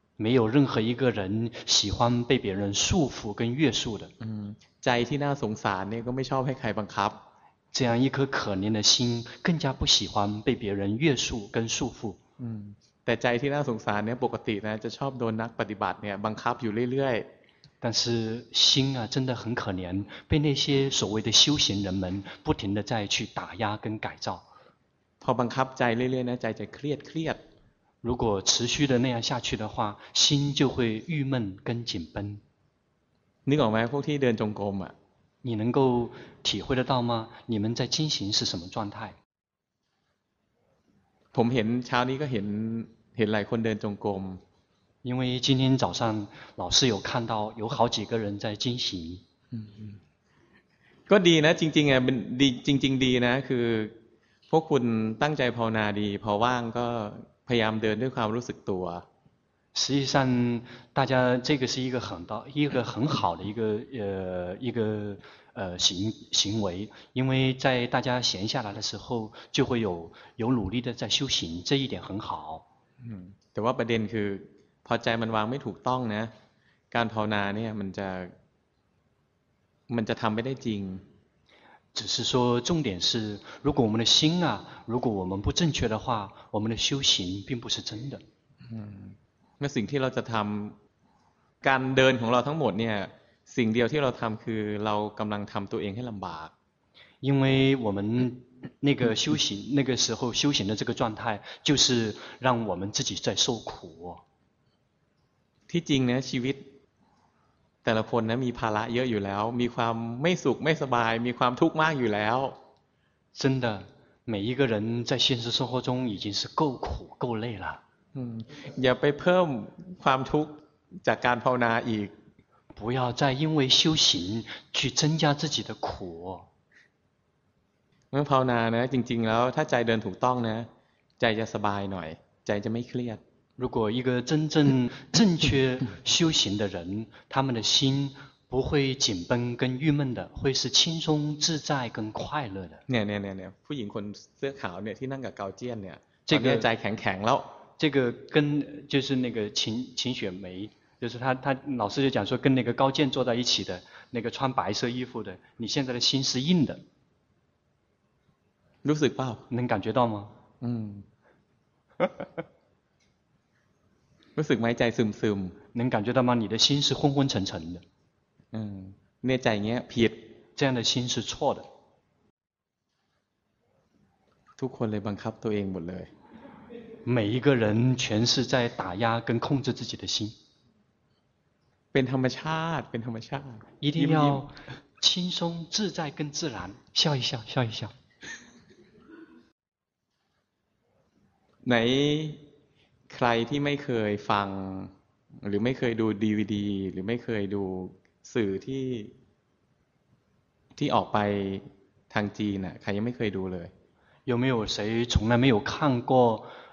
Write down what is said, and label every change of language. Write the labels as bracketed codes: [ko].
[zh] 没有任何一个人喜欢被别人束缚跟约束的 [th] ใจที่น่าสงสารเนี่ยก็ไม่ชอบให้ใครบังคับ [zh] 这样一颗可怜的心更加不喜欢被别人约束跟束缚 [th] แต่ใจที่น่าสงสารเนี่ยปกตินะจะชอบโดนนักปฏิบัติเนี่ยบังคับอยู่เรื่อย [zh] 但是心啊真的很可怜被那些所谓的修行人们不停的在去打压跟改造 [th] พอบังคับใจเรื่อยๆนะใจจะเครียดเครียด [zh] 如果持续的那样下去的话心就会郁闷跟紧绷 [th] นึกออกไหมพวกที่เดินจงกรมอ่ะ [zh] 你能够体会得到吗你们在进行是什么状态 [th] ผมเห็นเช้านี้ก็เห็นหลายคนเดินจงกรม [zh] 因为今天早上老师有看到有好几个人在进行 [th] ก็ดีนะจริงๆอ่ะมันดีจริงๆดีนะคือพวกคุณตั้งใจภาวนาดีพอว่างก็พยายามเดินด้วยความรู้สึกตัว [zh] 实际上大家这个是一个很好的一个行为因为在大家闲下来的时候就会有努力的在修行这一点很好 [th] แต่ว่าประเด็นคือพอใจมันวางไม่ถูกต้องนะการภาวนาเนี่ยมันจะทำไม่ได้จริง [zh] 只是说重点是如果我们的心啊如果我们不正确的话我们的修行并不是真的 [th] 那สิ่งที่เราจะทำการเดินของเราทั้งหมดเนี่ยสิ่งเดียวที่เราทำคือเรากำลังทำตัวเองให้ลำบาก [zh] 因为我们那个修行那个时候修行的这个状态就是让我们自己在受苦 [th] ที่จริงนะชีวิตแต่ละคนนะมีภาระเยอะอยู่แล้วมีความไม่สุขไม่สบายมีความทุกข์มากอยู่แล้ว [zh] 真的每一个人在现实生活中已经是够苦够累了 [th] อย่าไปเพิ่มความทุกข์จากการภาวนาอีก [zh] 不要再因为修行去增加自己的苦 [th] เมื่อภาวนานะจริงๆแล้วถ้าใจเดินถูกต้องนะใจจะสบายหน่อยใจจะไม่เครียด [zh] 如果一个真正正确修行的人他们的心不会紧绷跟郁闷的会是轻松自在跟快乐的 [th] เนี่ยผู้หญิงคนเสื้อขาวเนี่ยที่นั่งกับเกาเจียนเนี่ยตอนนี้ใจแข็งแข็งแล้ว [zh] 这个跟就是那个秦雪梅就是他老师就讲说跟那个高健坐在一起的那个穿白色衣服的你现在的心是硬的 [th] รู้สึกเปล่า [zh] 能感觉到吗 [th] รู้สึกไหมใจซึมซึม [zh] 能感觉到吗你的心是昏昏沉沉的 [th] เนี่ยใจเงี้ยผิด [zh] 这样的心是错的 [th] ทุกคนเลยบังคับตัวเองหมดเลย [zh] 每一个人全是在打压跟控制自己的心 [th] เป็นธรรมชาติเป็นธรรมชาติ [zh] 一定要轻松自在跟自然笑一笑笑一笑 [th] ไหนใครที่ไม่เคยฟังหรือไม่เคยดู DVD หรือไม่เคยดูสื่อที่ออกไปทางจีนน่ะใครยังไม่เคยดูเลย [zh] 有没有谁从来没有看过